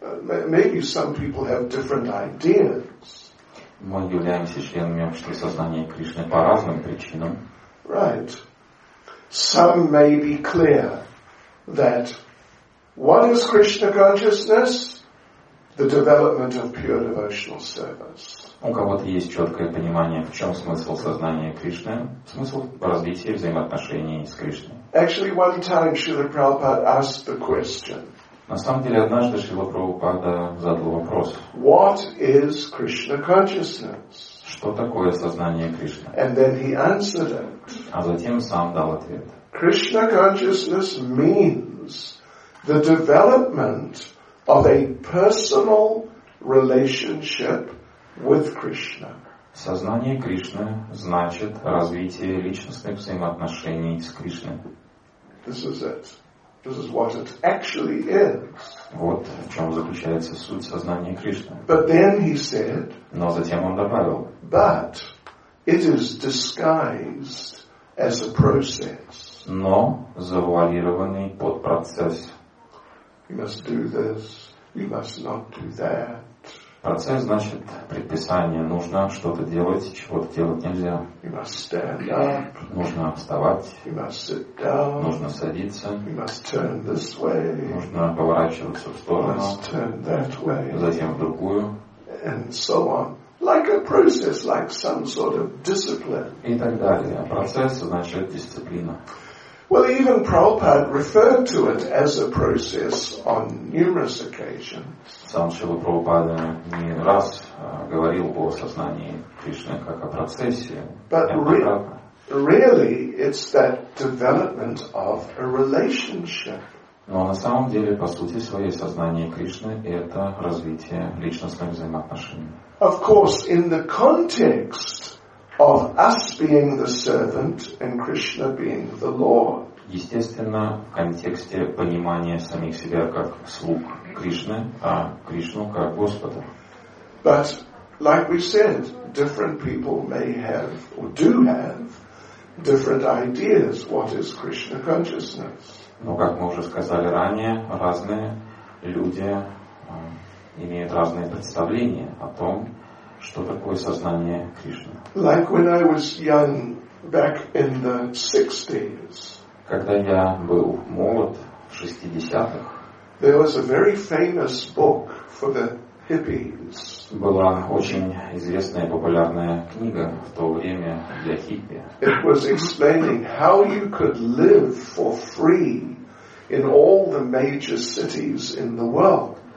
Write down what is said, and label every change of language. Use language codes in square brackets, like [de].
[en] Maybe some people have different ideas. [ru] Мы являемся членами общества сознания Кришны по разным причинам. [en] Right. Some may be clear that what is Krishna consciousness? The development of pure devotional service. [ru] У кого-то есть четкое понимание, в чем смысл сознания Кришны, смысл развития взаимоотношений с Кришной. [en] Actually, one time Srila Prabhupada asked the question. [ru] На самом деле, однажды Шрила Прабхупада задал вопрос. [en] What is Krishna consciousness? [ru] Что такое сознание Кришны? [en] And then he answered it. [ru] А затем сам дал ответ. [en] Krishna consciousness means the development of a personal relationship with Krishna. [ru] Сознание Кришны значит развитие личностных взаимоотношений с Кришной. [en] This is it. This is what it actually is. [ru] Вот в чем заключается суть сознания Кришны. [en] But then he said. [ru] Но затем он добавил. [en] But it is disguised as a process. [ru] Но завуалированный под процесс. [en] You must do this. You must not do that. [ru] Процесс значит предписание. Нужно что-то делать, чего-то делать нельзя. [en] You must stand up. [ru] Нужно вставать. [en] You must sit down. [ru] Нужно садиться. [en] You must turn this way. [ru] Нужно поворачиваться в сторону. [en] You must turn that way. [ru] Затем в другую. [en] And so on. Like a process, like some sort of discipline. [ru] И так далее. Процесс значит дисциплина. [en] Well, even Prabhupada referred to it as a process on numerous occasions. [ru] Сам Шрила Прабхупада не раз говорил о сознании Кришны как о процессе. [en] But really, it's that development of a relationship. [ru] Но на самом деле, по сути, своей сознание Кришны — это развитие личностных взаимоотношений. [en] Of course, in the context of us being the servant and Krishna being the Lord. [ru] Естественно, в контексте понимания самих себя как слуг Кришны, а Кришну как Господа. [en] But, like we said, different people may have or do have different ideas what is Krishna consciousness. [ru] Но, как мы уже сказали ранее, разные люди имеют разные представления о том, что такое сознание Кришны. [en] Like when I was young, back in the 60s. [ru] Когда я был молод, в 60-х, [en] there was a very famous book for the hippies. [ru] Была очень известная и популярная книга в то время для хиппи. [en] It was explaining how you could live for free in all the major cities in the world.